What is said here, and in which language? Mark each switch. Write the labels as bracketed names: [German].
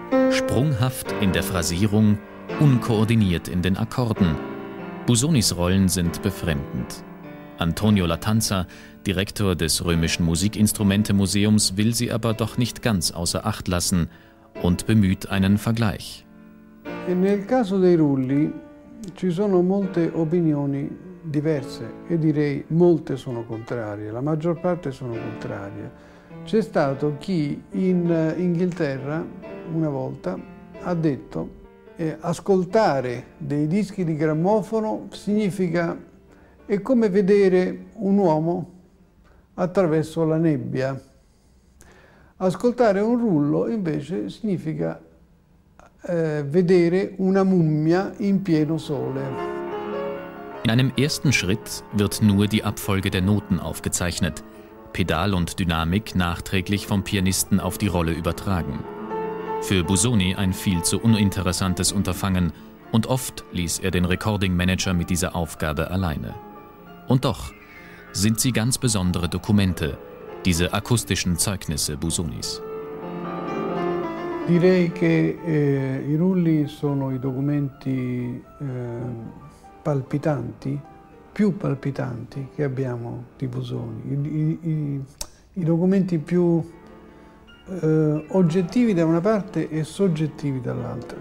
[German] Sprunghaft in der Phrasierung, unkoordiniert in den Akkorden. Busonis Rollen sind befremdend. Antonio Latanza, Direktor des Römischen Musikinstrumente-Museums, will sie aber doch nicht ganz außer Acht lassen und bemüht einen Vergleich. [Italian] Nel caso dei rulli ci sono molte opinioni diverse e direi molte sono contrarie, la maggior parte sono contrarie. C'è stato chi in Inghilterra una volta ha detto ascoltare dei dischi di grammofono significa è come vedere un uomo attraverso la nebbia. Ascoltare un rullo invece significa vedere una mummia in pieno sole. [German] In einem ersten Schritt wird nur die Abfolge der Noten aufgezeichnet, Pedal und Dynamik nachträglich vom Pianisten auf die Rolle übertragen. Für Busoni ein viel zu uninteressantes Unterfangen und oft ließ er den Recording-Manager mit dieser Aufgabe alleine. Und doch sind sie ganz besondere Dokumente, diese akustischen Zeugnisse Busonis. [Italian] Direi che i rulli sono i documenti palpitanti, più palpitanti che abbiamo di Busoni. I documenti più oggettivi da una parte e soggettivi dall'altra.